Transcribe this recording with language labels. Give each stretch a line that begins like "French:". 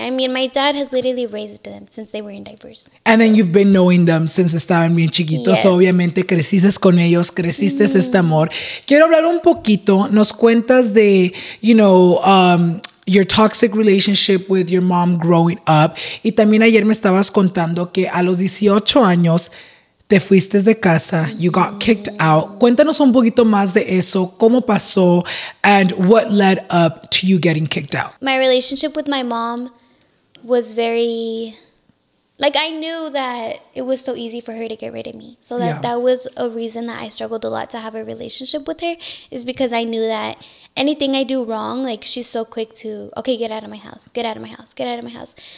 English: I mean, my dad has literally raised them since they were in diapers. And then you've been knowing them since
Spanish: estaban bien chiquitos. Yes. So obviamente creciste con ellos, creciste este amor. Quiero hablar un poquito. Nos cuentas de,
English: you know, your toxic relationship with your mom growing up.
Spanish: Y también ayer me estabas contando que a los 18 años te fuiste de casa.
English: You got kicked out.
Spanish: Cuéntanos un poquito más de eso. ¿Cómo pasó?
English: And what led up to you getting kicked out? My relationship with my mom was very, like, I knew that it was so easy for her to get rid of me. So that, that was a reason that I struggled a lot to have a relationship with her, is because I knew that anything I do wrong, like, she's so quick to, okay, get out of my house, get out of my house, get out of my house.